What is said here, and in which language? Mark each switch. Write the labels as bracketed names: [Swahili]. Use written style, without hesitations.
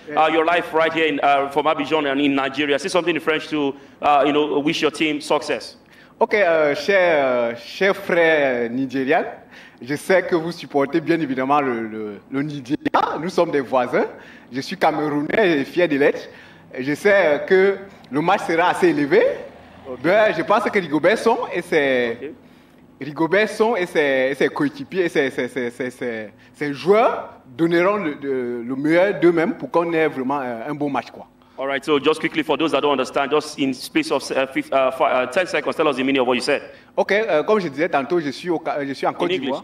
[English] Your life right here in from Abidjan and in Nigeria. Say something in French to you know, wish your team success. [French] Okay, cher frère Nigérian, je sais que vous supportez bien évidemment le Nigeria. Nous sommes des voisins. Je suis Camerounais et fier de l'être. Je sais que le match sera assez élevé. Okay. Ben, je pense que Rigobertson et ses Rigobert Song et ses coéquipiers, ses joueurs donneront le meilleur d'eux-mêmes pour qu'on ait vraiment un bon match, quoi. [English] All right, so just quickly for those that don't understand, just in space of 10 seconds, tell us the meaning of what you said. [French] Okay, comme je disais tantôt, je suis en Côte d'Ivoire.